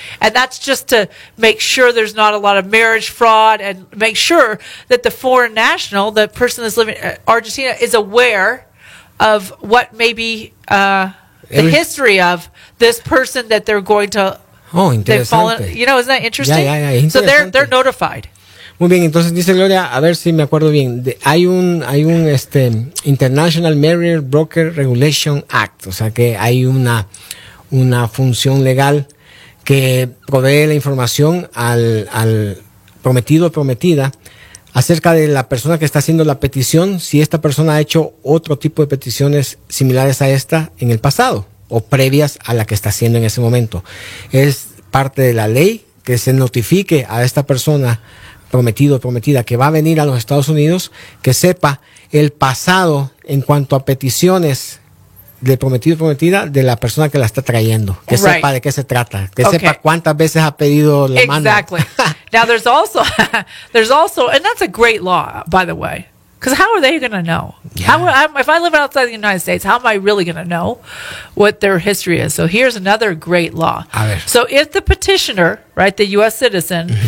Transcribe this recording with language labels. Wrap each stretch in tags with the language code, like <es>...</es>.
<en>And that's just to make sure there's not a lot of marriage fraud and make sure that the foreign national, the person that's living in Argentina, is aware of what may be the history of this person that they're going to...</en> <es>Oh, interesante.</es> <en>Isn't that interesting?</en> <es>Yeah, interesante.</es> <en>So they're notified.</en> <es>Muy bien, entonces dice Gloria, a ver si me acuerdo bien, hay un International Marriage Broker Regulation Act, o sea que hay una función legal que provee la información al prometido o prometida acerca de la persona que está haciendo la petición, si esta persona ha hecho otro tipo de peticiones similares a esta en el pasado o previas a la que está haciendo en ese momento. Es parte de la ley que se notifique a esta persona prometido o prometida que va a venir a los Estados Unidos, que sepa el pasado en cuanto a peticiones de prometido o prometida de la persona que la está trayendo, que</es> <en>right.</en> <es>sepa de qué se trata, que</es> <en>okay.</en> <es>sepa cuántas veces ha pedido la mano.</es> <en>Exactly. Now there's also and that's a great law, by the way, because how are they going to know? Yeah. If I live outside the United States, how am I really going to know what their history is? So here's another great law.</en> <es>A ver.</es> <en>So if the petitioner, right, the U.S. citizen mm-hmm.</en>